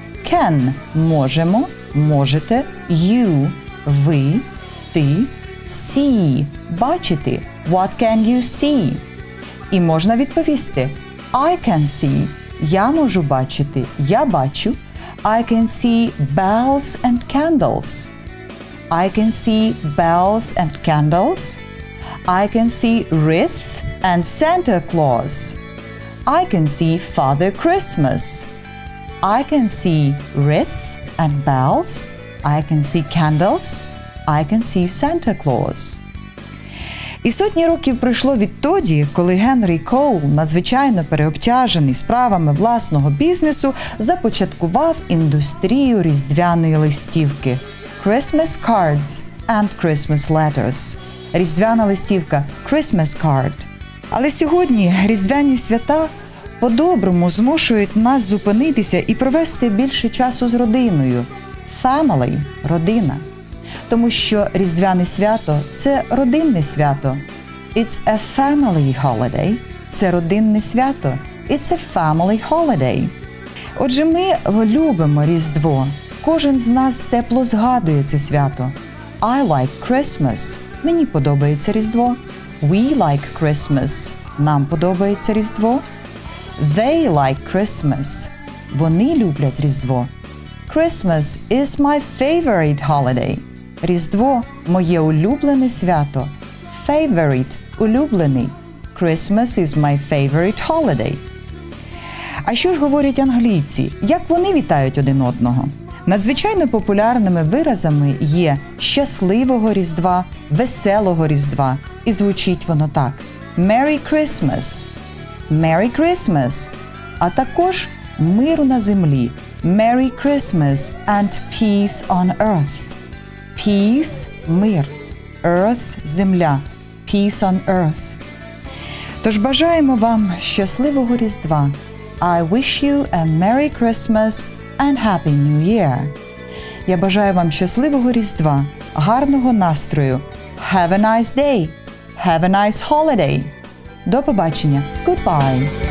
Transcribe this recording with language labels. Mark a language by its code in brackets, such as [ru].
[uk] Can – можемо, можете. You – ви, ти. See – бачити. [en] What can you see? [uk] І можна відповісти. [en] I can see [uk] – я можу бачити, я бачу. [en] I can see bells and candles. I can see bells and candles. I can see wreaths and Santa Claus. I can see Father Christmas. I can see wreaths and bells. I can see candles. I can see Santa Claus. [uk] І сотні років пройшло відтоді, коли Генрі Коул, надзвичайно переобтяжений справами власного бізнесу, започаткував індустрію різдвяної листівки. [en] Christmas cards and Christmas letters. [uk] Різдвяна листівка – [en] Christmas card. [uk] Але сьогодні різдвяні свята по-доброму змушують нас зупинитися і провести більше часу з родиною. Family – родина. Тому що різдвяне свято – це родинне свято. [en] It's a family holiday. [uk] Це родинне свято. [en] It's a family holiday. [uk] Отже, ми любимо Різдво. Кожен з нас тепло згадує це свято. [en] I like Christmas. [uk] Мені подобається Різдво. [en] We like Christmas. [uk] Нам подобається Різдво. [en] They like Christmas. [uk] Вони люблять Різдво. [en] Christmas is my favorite holiday. [uk] Різдво – моє улюблене свято. Favorite – улюблений. [en] Christmas is my favorite holiday. [uk] А що ж говорять англійці? Як вони вітають один одного? Надзвичайно популярними виразами є «щасливого Різдва», «веселого Різдва». І звучить воно так. [en] «Merry Christmas», «Merry Christmas», [uk] а також «миру на землі», [en] «Merry Christmas and peace on earth». «Peace» – мир, «Earth» – земля, «Peace on earth». [uk] Тож бажаємо вам щасливого Різдва. [en] «I wish you a Merry Christmas». And Happy New Year! [uk] Я бажаю вам щасливого Різдва, гарного настрою. [en] Have a nice day! Have a nice holiday! [uk] До побачення! [en] Goodbye!